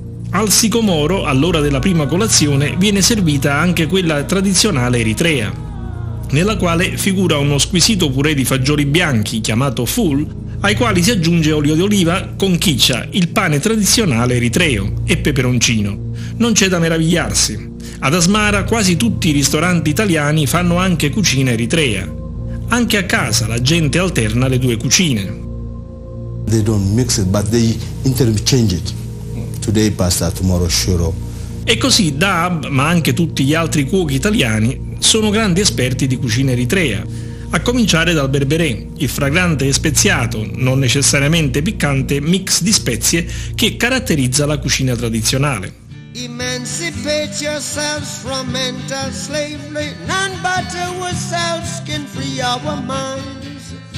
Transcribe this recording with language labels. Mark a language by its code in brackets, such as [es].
[it] Al Sicomoro, all'ora della prima colazione, viene servita anche quella tradizionale eritrea, nella quale figura uno squisito purè di fagioli bianchi, chiamato ful, ai quali si aggiunge olio d'oliva, conchiccia, il pane tradizionale eritreo e peperoncino. Non c'è da meravigliarsi. Ad Asmara quasi tutti i ristoranti italiani fanno anche cucina eritrea. Anche a casa la gente alterna le due cucine. [en] They don't mix it, but they interchange it. Today pasta, tomorrow shiro. [it] E così Dahab, ma anche tutti gli altri cuochi italiani, sono grandi esperti di cucina eritrea. A cominciare dal berberè, il fragrante e speziato, non necessariamente piccante, mix di spezie che caratterizza la cucina tradizionale. [en] Emancipate yourselves from mental slavery, none but ourselves can free our minds.